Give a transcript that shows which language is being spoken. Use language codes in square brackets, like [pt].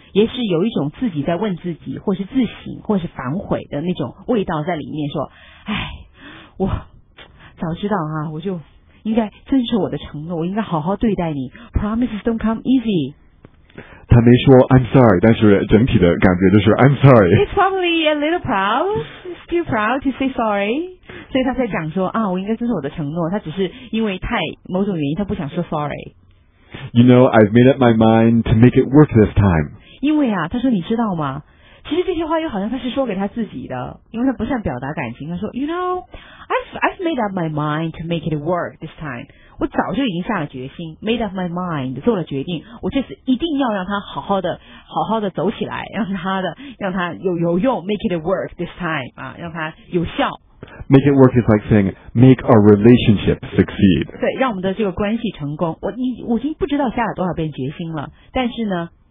[zh] 也是有一种自己在问自己或是自省或是反悔的那种味道在里面，说哎，我早知道啊，我就应该遵守我的承诺，我应该好好对待你。 [en] Promises don't come easy. [zh] 他没说 I'm sorry， 但是整体的感觉就是 I'm sorry. [en] He's probably a little proud, still proud to say sorry. [zh] 所以他在讲说啊，我应该遵守我的承诺，他只是因为太某种原因他不想说 sorry. [en] You know, I've made up my mind to make it work this time. [zh] 因为啊，他说你知道吗，其实这些话又好像他是说给他自己的，因为他不善表达感情。他说 [en] You know, I've made up my mind to make it work this time. [zh] 我早就已经下了决心， made up my mind， 做了决定，我这次一定要让他好好的好好的走起来，让他有用， [en] make it work this time、 [zh] 让他有效。 [en] Make it work is like saying make our relationship succeed. [zh] 对，让我们的这个关系成功。我已经不知道下了多少遍决心了，但是呢